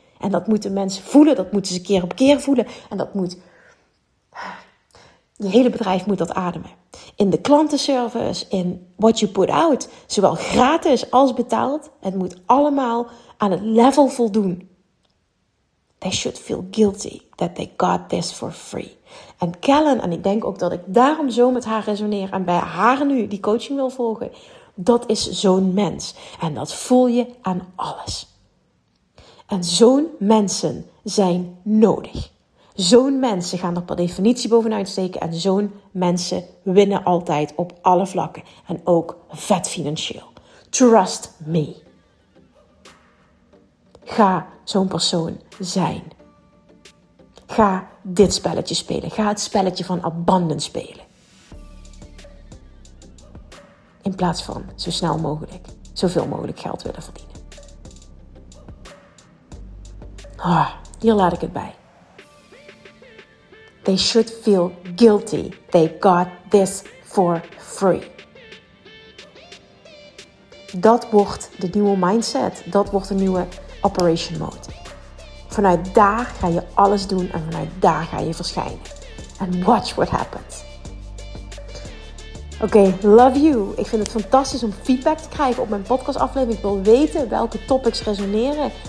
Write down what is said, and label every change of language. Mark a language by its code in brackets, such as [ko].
[nl] En dat moeten mensen voelen, dat moeten ze keer op keer voelen. En dat moet, je hele bedrijf moet dat ademen. In de klantenservice, in [en] what you put out, [nl] zowel gratis als betaald. Het moet allemaal aan het level voldoen. [en] They should feel guilty that they got this for free. [nl] En Kellen, en ik denk ook dat ik daarom zo met haar resoneer en bij haar nu die coaching wil volgen. Dat is zo'n mens. En dat voel je aan alles. En zo'n mensen zijn nodig. Zo'n mensen gaan er per definitie bovenuit steken. En zo'n mensen winnen altijd op alle vlakken. En ook vet financieel. [en] Trust me. [nl] Ga zo'n persoon zijn. Ga dit spelletje spelen. Ga het spelletje van abundance spelen. In plaats van zo snel mogelijk, zoveel mogelijk geld willen verdienen. Oh, hier laat ik het bij. [en] They should feel guilty. They got this for free. [nl] Dat wordt de nieuwe mindset. Dat wordt de nieuwe operation mode. Vanuit daar ga je alles doen en vanuit daar ga je verschijnen. [en] And watch what happens. [nl] Oké, [en] love you. [nl] Ik vind het fantastisch om feedback te krijgen op mijn podcastaflevering. Ik wil weten welke topics resoneren.